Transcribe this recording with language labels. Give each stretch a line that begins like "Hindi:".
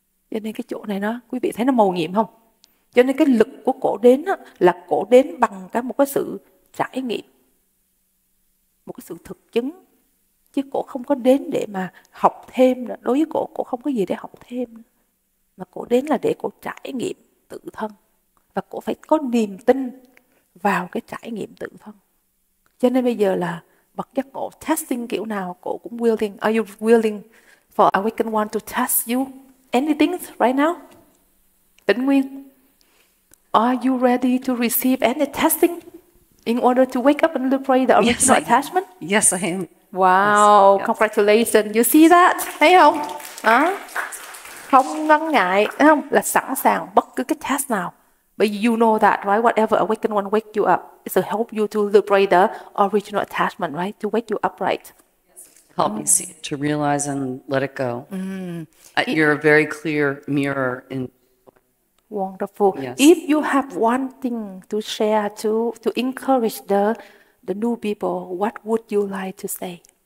Vietnamese: Cho nên cái chỗ này nó, quý vị thấy nó màu nhiệm không? Cho nên cái lực của cổ đến đó, là cổ đến bằng cái một cái sự trải nghiệm, một cái sự thực chứng, chứ cổ không có đến để mà học thêm nữa. Đối với cổ không có gì để học thêm nữa. Mà cổ đến là để cổ trải nghiệm tự thân, và cổ phải có niềm tin vào cái trải nghiệm tự thân. Cho nên bây giờ là bậc giác ngộ testing kiểu nào cổ cũng willing.
English: Are you willing for awakened one to test you anything right now? Tĩnh Nguyên, are you ready to receive any testing in order to wake up and liberate the original yes, attachment? Yes, I am. Wow, yes. Congratulations. You see that?
Vietnamese: Thấy không? À? Không ngần ngại, thấy không? Là sẵn sàng bất cứ cái test nào.
English: But you know that, right? Whatever awakened one wake you up, it's to help you to liberate the original attachment, right? To wake you up, right? Help you see, to realize and let it go. Mm. You're a very clear mirror in. Wonderful. Yes. If you have one thing to share to encourage the new people, what would you like to say?